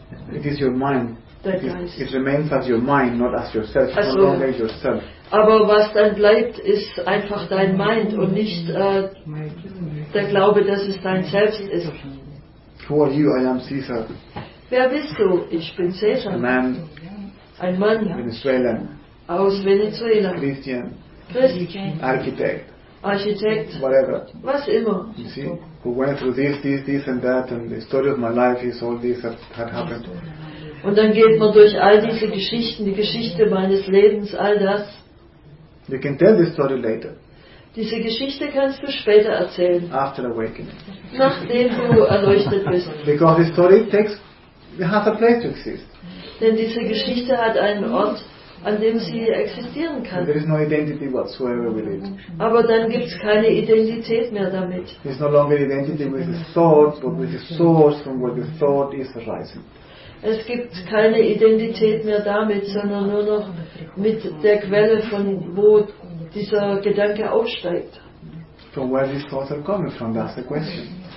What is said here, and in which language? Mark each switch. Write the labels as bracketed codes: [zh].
[en] It is your mind. It remains as your mind, not as yourself. It's no longer yourself. [de] Aber was dann bleibt, ist einfach dein Mind und nicht der Glaube, dass es dein Selbst ist. [en] Who are you? I am Caesar. [de] Wer bist du? Ich bin Caesar. [en] Man. [de] Ein Mann. [en] Venezuelan. [de] Aus Venezuela. [en] Christian. [de] Christian. [en] Architect. [de] Architect. [en] Whatever. [de] Was immer. [en] You see? Who went through this and that, and the story of my life is all this had happened. [de] Und dann geht man durch all diese Geschichten, die Geschichte meines Lebens, all das. [en] You can tell the story later. [de] Diese Geschichte kannst du später erzählen. [en] After awakening. [de] Nachdem du erleuchtet bist. [en] Because the story takes It has a place to exist. [de] Denn diese Geschichte hat einen Ort, an dem sie existieren kann. [en] There is no identity whatsoever with it. [de] Aber dann gibt es keine Identität mehr damit. [en] It's no longer identity with the thought, but with the source from where the thought is arising. [de] Es gibt keine Identität mehr damit, sondern nur noch mit der Quelle, von wo dieser Gedanke aufsteigt. [en] From where these thoughts are coming from, that's the question.